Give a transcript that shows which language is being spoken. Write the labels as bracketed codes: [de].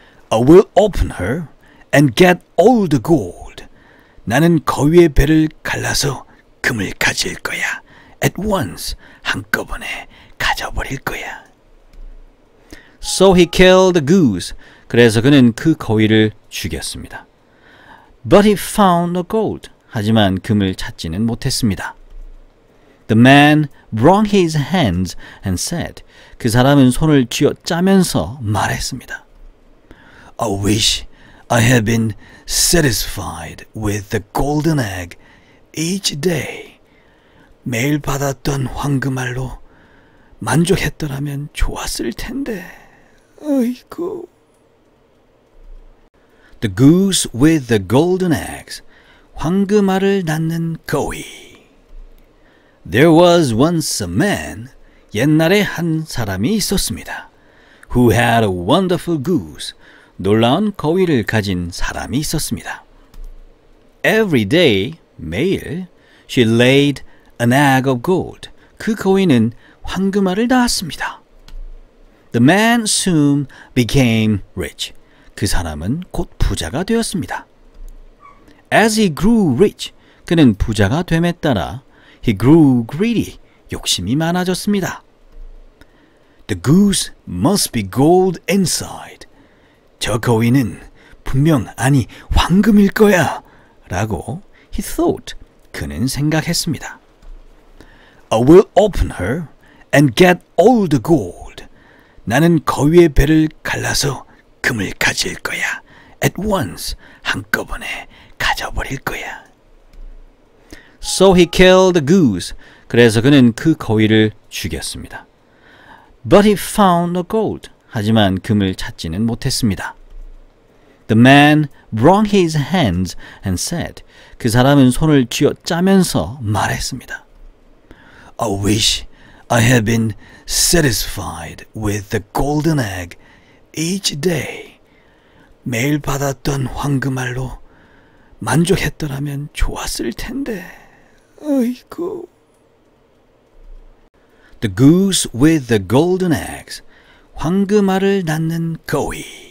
[en] I will open her and get all the gold. [ko] 나는 거위의 배를 갈라서 금을 가질 거야. [en] At once, [ko] 한꺼번에 가져버릴 거야. [en] So he killed the goose. [ko] 그래서 그는 그 거위를 죽였습니다. [en] But he found the gold. [ko] 하지만 금을 찾지는 못했습니다. [en] The man wrung his hands and said, [ko] 그 사람은 손을 쥐어짜면서 말했습니다. [en] I wish I had been satisfied with the golden egg each day. [ko] 매일 받았던 황금알로 만족했더라면 좋았을 텐데. 아이고. [en] The goose with the golden eggs. [ko] 황금알을 낳는 거위. [en] There was once a man, [ko] 옛날에 한 사람이 있었습니다. [en] Who had a wonderful goose, [ko] 놀라운 거위를 가진 사람이 있었습니다. [en] Every day, [ko] 매일, [en] she laid an egg of gold. [ko] 그 거위는 황금알을 낳았습니다. [en] The man soon became rich. [ko] 그 사람은 곧 부자가 되었습니다. [en] As he grew rich, [ko] 그는 부자가 됨에 따라 [en] He grew greedy. [ko] 욕심이 많아졌습니다. [en] The goose must be gold inside. [ko] 저 거위는 분명 아니 황금일 거야 라고 [en] he thought. [ko] 그는 생각했습니다. [en] I will open her and get all the gold. [ko] 나는 거위의 배를 갈라서 금을 가질 거야. [en] At once. [ko] 한꺼번에 가져버릴 거야. [en] So he killed the goose. [ko] 그래서 그는 그 거위를 죽였습니다. [en] But he found the gold. [ko] 하지만 금을 찾지는 못했습니다. [en] The man wrung his hands and said, [ko] 그 사람은 손을 쥐어짜면서 말했습니다. [en] I wish I had been satisfied with the golden egg each day. [ko] 매일 받았던 황금알로 만족했더라면 좋았을 텐데. 아이고. [en] The goose with the golden eggs. [ko] 황금알을 낳는 거위.